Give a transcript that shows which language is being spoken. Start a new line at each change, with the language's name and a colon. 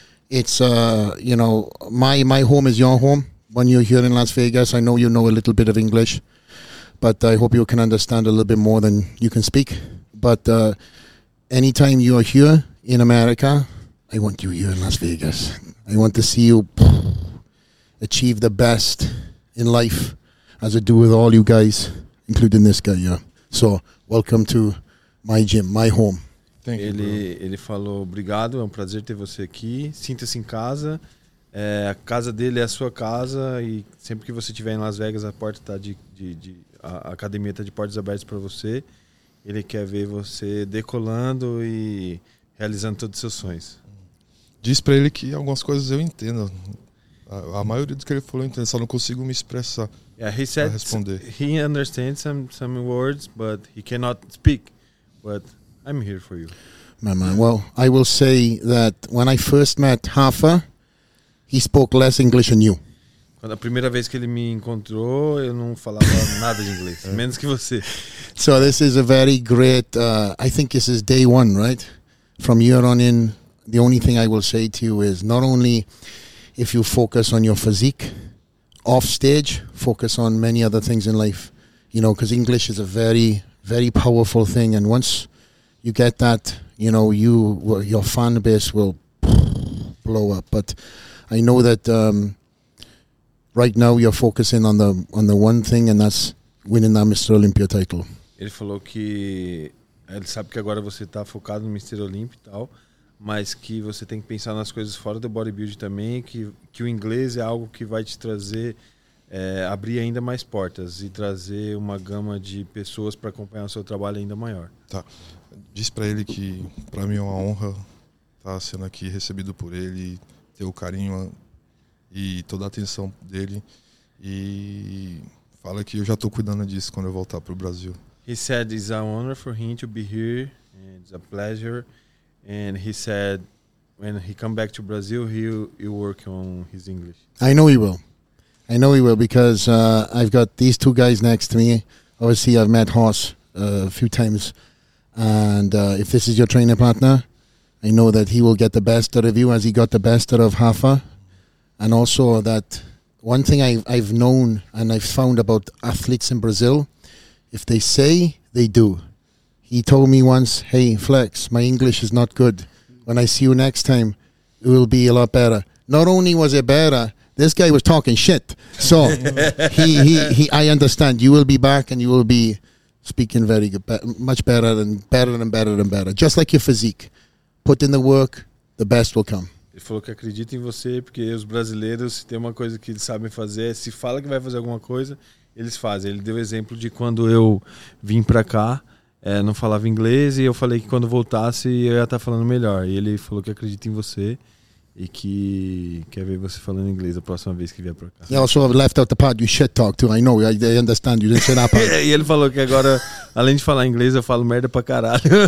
English: It's you know, my home is your home. When you're here in Las Vegas, I know you know a little bit of English, but I hope you can understand a little bit more than you can speak. But anytime you're here in America, I want you here in Las Vegas. I want to see you achieve the best in life, as I do with all you guys, including this guy here. So welcome to my gym, my home.
Portuguese: Ele falou, obrigado, é um prazer ter você aqui, sinta-se em casa, é, a casa dele é a sua casa e sempre que você estiver em Las Vegas, a porta tá a academia está de portas abertas para você, ele quer ver você decolando e realizando todos os seus sonhos. Diz para ele que algumas coisas eu entendo, a maioria do que ele falou eu entendo, só não consigo me expressar para responder.
English: He understands some words, but he cannot speak, but I'm here for you. My man. Well, I will say that when I first met Rafa, he spoke less English than you.
Portuguese: Quando a primeira vez que ele me encontrou, eu não falava nada de inglês, menos que você.
English: So this is a very great, I think this is day one, right? From here on in, the only thing I will say to you is not only if you focus on your physique, off stage, focus on many other things in life. You know, because English is a very, very powerful thing. And once you get that, you know, your fan base will blow up. But I know that right now you're focusing on the one thing, and that's winning that Mr. Olympia title.
Portuguese: Ele falou que ele sabe que agora você está focado no Mr. Olympia e tal, mas que você tem que pensar nas coisas fora do bodybuilding também, que o inglês é algo que vai te trazer, abrir ainda mais portas e trazer uma gama de pessoas para acompanhar o seu trabalho ainda maior. Tá. Diz para ele que para mim é uma honra estar sendo aqui recebido por ele, ter o carinho e toda a atenção dele. E fala que eu já estou cuidando disso quando eu voltar para o Brasil.
English: He said it's an honor for him to be here, and it's a pleasure. And he said when he come back to Brazil, he'll work on his English. I know he will. I know he will because I've got these two guys next to me. Obviously, I've met Horst a few times. And if this is your trainer partner, I know that he will get the best out of you as he got the best out of Rafa. And also that one thing I've known and I've found about athletes in Brazil, if they say, they do. He told me once, hey, Flex, my English is not good. When I see you next time, it will be a lot better. Not only was it better, this guy was talking shit. So I understand you will be back and you will be speaking very good, much better and better and better and better. Just like your physique. Put in the work, the best will come.
Portuguese: Ele falou que acredita em você, porque os brasileiros, se tem uma coisa que eles sabem fazer, se fala que vai fazer alguma coisa, eles fazem. Ele deu exemplo de quando eu vim pra cá, não falava inglês, e eu falei que quando voltasse, eu ia estar falando melhor. E ele falou que acredita em você, e que quer ver você falando inglês a próxima vez que vier pra cá.
English: Yeah, also I've left out the part you shit talk too. I know, I understand you didn't say that part.
Portuguese: E ele falou que agora, além de falar inglês, eu falo merda pra caralho.